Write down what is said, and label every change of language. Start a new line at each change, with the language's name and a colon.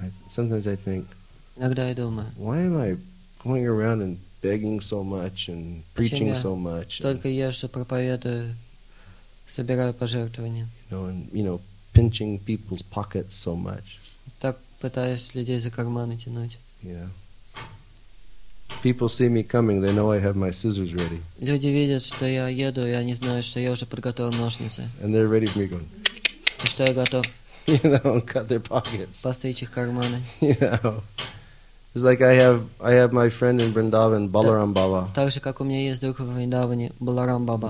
English: Sometimes I think.
Russian: Иногда я думаю.
English: Why am I going around and begging so much and preaching so much?
Russian: Только я что проповедую, собираю пожертвования.
English: You know, pinching people's pockets so much.
Russian: Так пытаюсь людей за карманы тянуть.
English: Yeah. People see me coming, they know I have my scissors ready.
Russian: Люди видят, что я еду, и они знают, что я уже подготовил ножницы.
English: And they're ready for me going.
Russian: И что я готов.
English: You know, cut their pockets.
Russian: Постричь их карманы.
English: You know, it's like I have my friend in Vrindavan, Balaram Baba.
Russian: Так же, как у меня есть друг в Вриндаване, Баларам Баба.